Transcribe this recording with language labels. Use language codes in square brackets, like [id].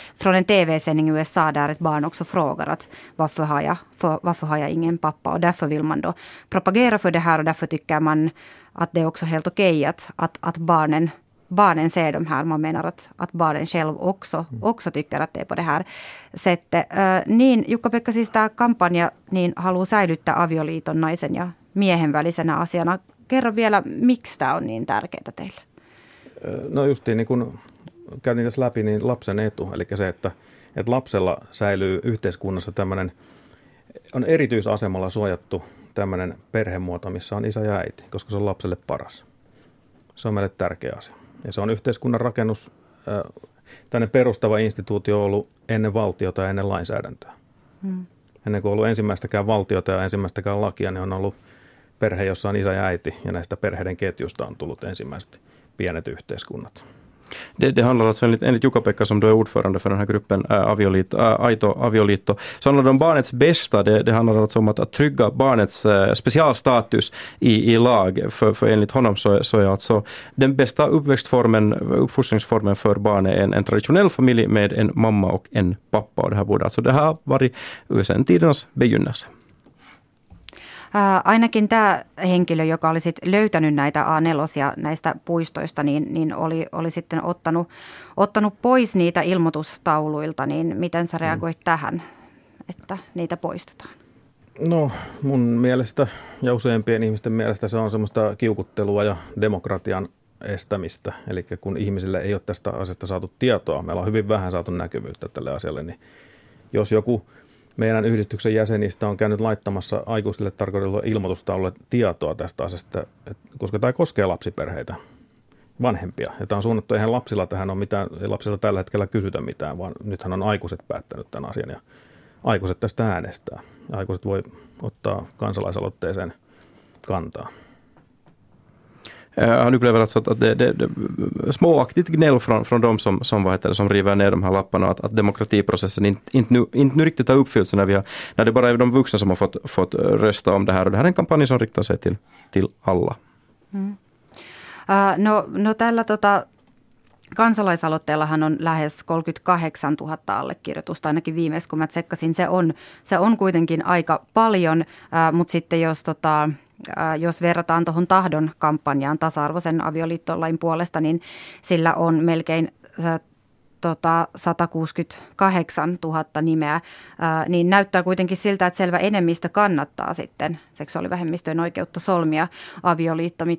[sv] Från en TV-sändning i USA där ett barn också frågar att varför har jag ingen pappa? Och därför vill man då propagera för det här och därför tycker man att det är också helt okej att barnen ser de här. Man menar att barnen själv också tycker att det är på det här sättet. [fi] Niin, Jukka-Pekka, siis tämä kampanja niin haluaa säilyttää avioliiton naisen ja miehen välisenä asiana. Kerro vielä, miksi tämä on niin tärkeää teille? No justiin, niin kun käytin tässä läpi, niin lapsen etu, eli se, että lapsella säilyy yhteiskunnassa tämmöinen, on erityisasemalla suojattu tämmöinen perhemuoto, missä on isä ja äiti, koska se on lapselle paras. Se on meille tärkeä asia. Ja se on yhteiskunnan rakennus, tämmöinen perustava instituutio ollut ennen valtiota ja ennen lainsäädäntöä. Ennen kuin on ollut ensimmäistäkään valtiota ja ensimmäistäkään lakia, niin on ollut perhe, jossa on isä ja äiti, ja näistä perheiden ketjusta on tullut ensimmäiset pienet yhteiskunnat. [sv] Det handlar alltså enligt Jukka-Pekka, som du är ordförande för den här gruppen, Aito Avioliitto, så handlar det om barnets bästa. Det handlar alltså om att trygga barnets specialstatus i lag. För enligt honom så är alltså den bästa uppfostringsformen för barn är en traditionell familj med en mamma och en pappa. Och det här borde alltså, det här varit sen tidernas begynnelse. [fi] Ainakin tämä henkilö, joka oli sit löytänyt näitä A4-osia näistä puistoista, niin oli sitten ottanut pois niitä ilmoitustauluilta, niin miten sä reagoit tähän, että niitä poistetaan? No mun mielestä ja useampien ihmisten mielestä se on semmoista kiukuttelua ja demokratian estämistä. Eli kun ihmisille ei ole tästä asiasta saatu tietoa, meillä on hyvin vähän saatu näkyvyyttä tälle asialle, niin jos joku meidän yhdistyksen jäsenistä on käynyt laittamassa aikuisille tarkoitetulle ilmoitustaululle tietoa tästä asiasta, koska tämä koskee lapsiperheitä, vanhempia. Ja tämä on suunnattu, eihän lapsilla tähän ole mitään, ei lapsilla tällä hetkellä kysytä mitään, vaan nythän on aikuiset päättänyt tämän asian ja aikuiset tästä äänestää. Aikuiset voi ottaa kansalaisaloitteeseen kantaa. [sv] Han upplever alltså att det småaktigt gnäll från de som vad heter det, som river ner de här lapparna, att demokratiprocessen inte nu riktigt har uppfyllts när det bara är de vuxna som har fått rösta om det här. Och det här är en kampanj som riktar sig till alla. [fi] No tällä kansalaisaloitteellahan on lähes 38 000 allekirjoitusta, ainakin viimeis, kun mä tsekkasin. Se on kuitenkin aika paljon, mutta sitten jos verrataan tuohon tahdon kampanjaan tasa-arvoisen avioliittolain puolesta, niin sillä on melkein 168 000 nimeä, niin näyttää kuitenkin siltä, että selvä enemmistö kannattaa sitten seksuaalivähemmistöjen oikeutta solmia avioliitto.